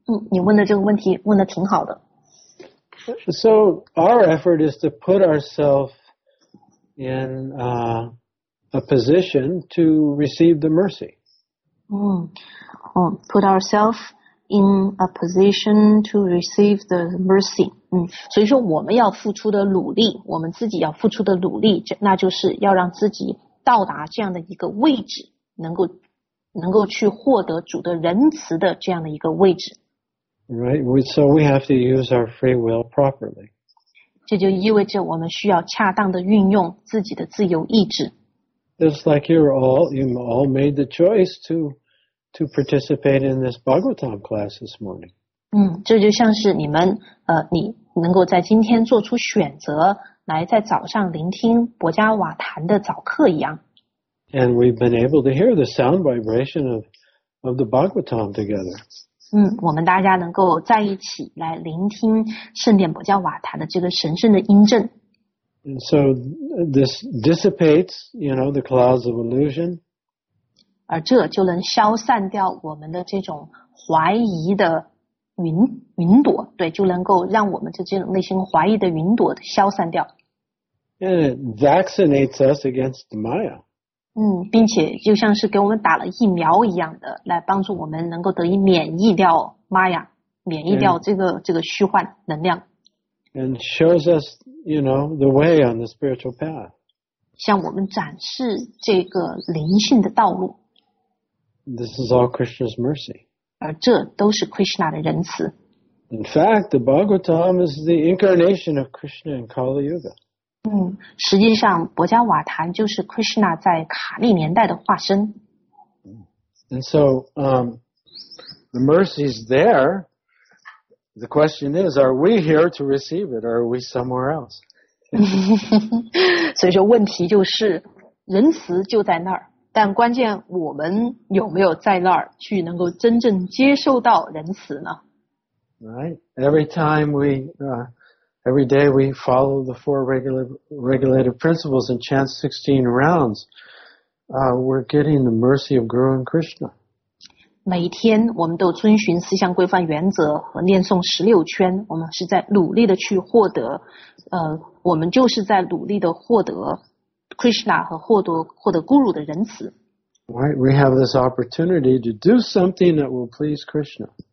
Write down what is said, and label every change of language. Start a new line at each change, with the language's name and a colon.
Chinese: 你问的这个问题问的挺好的。
English: So our effort is to put ourselves in a position to receive the mercy. Put ourselves in a position to receive the mercy.
Chinese: 所以说我们要付出的努力，我们自己要付出的努力，那就是要让自己到达这样的一个位置，能够去获得主的仁慈的这样的一个位置。
English: Right, so we have to use our free will properly.
Chinese: 这就意味着我们需要恰当的运用自己的自由意志。
English: Just like you all made the choice to participate in this Bhagavatam class this morning.
Chinese: 这就像是你们你能够在今天做出选择来在早上聆听博伽瓦坛的早课一样。
English: And we've been able to hear the sound vibration of the Bhagavatam together.
Chinese: 我们大家能够在一起来聆听圣殿博伽瓦坛的这个神圣的音阵。
English: And so this dissipates, you know, the clouds of illusion.
Chinese: 而这就能消散掉我们的这种怀疑的云朵，对，就能够让我们这种内心怀疑的云朵消散掉。
English: And it vaccinates us against Maya.
Chinese: 并且就像是给我们打了疫苗一样的，来帮助我们能够得以免疫掉 Maya， 免疫掉这个虚幻能量。
English: And shows us, you know, the way on the spiritual path.
Chinese: 向我们展示这个灵性的道路。
English: This is all Krishna's mercy.
Chinese: 而这都是 Krishna 的仁慈。
English: In fact, the Bhagavatam is the incarnation of Krishna in Kali Yuga.
Chinese: 实际上博伽瓦坛就是 Krishna 在卡利年代的化身。
English: And so, the mercy is there. The question is, are we here to receive it, or are we somewhere else?
Chinese: 所以说问题就是仁慈就在那儿。但关键我们有没有在那儿去能够真正接受到仁慈呢？
English: Right. Every time we, every day we follow the four regulative principles and chant 16 rounds, we're getting the mercy of Guru and Krishna.
Chinese: 每天我们都遵循四项规范原则和念诵十六圈，我们是在努力的去获得，我们就是在努力的获得Krishna 和获得 Guru 的仁慈。
English: Right, we have this opportunity to do something that will please Krishna.